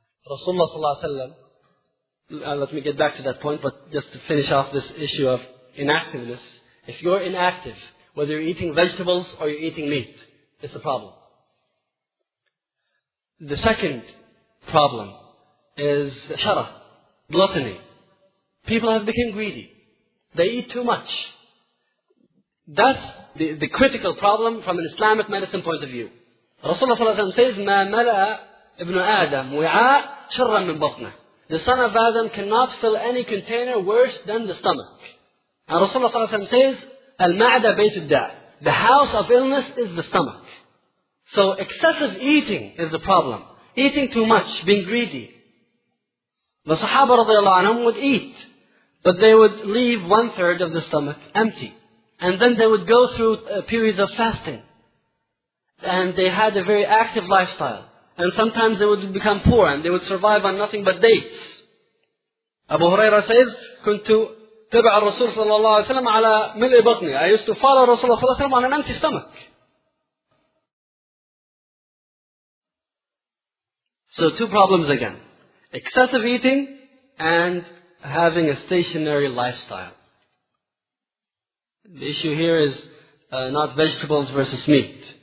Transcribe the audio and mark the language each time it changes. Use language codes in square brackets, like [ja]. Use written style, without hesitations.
[en] Rasulullah sallallahu alayhi wa sallam, let me get back to that point, but just to finish off this issue of inactiveness, if you're inactive, whether you're eating vegetables or you're eating meat, it's a problem. The second problem is shara, gluttony. People have become greedy. They eat too much. That's the critical problem from an Islamic medicine point of view. [ar] Rasulullah sallallahu alayhi wa sallam says, مَا مَلَأَ إِبْنُ آدَمْ وِعَاءَ شَرًّا مِنْ بَطْنَهِ. [en] The son of Adam cannot fill any container worse than the stomach. And Rasulullah sallallahu alayhi wa sallam says, [ar] المعدة بيت الداء. [en] The house of illness is the stomach. So excessive eating is the problem. Eating too much, being greedy. The Sahaba radiallahu anhum would eat, but they would leave one third of the stomach empty. And then they would go through periods of fasting. and they had a very active lifestyle. And sometimes they would become poor and they would survive on nothing but dates. [ar] Abu Huraira says, كُنْتُ تَبْعَ الرَّسُولَ صَلَى اللَّهُ عَلَيْهِ وَسَلَّمَ عَلَى مِلْءِ بَطْنِي. [en] I used to follow Rasulullah صلى الله عليه وسلم on an empty stomach. So two problems again. Excessive eating and having a stationary lifestyle. The issue here is not vegetables versus meat.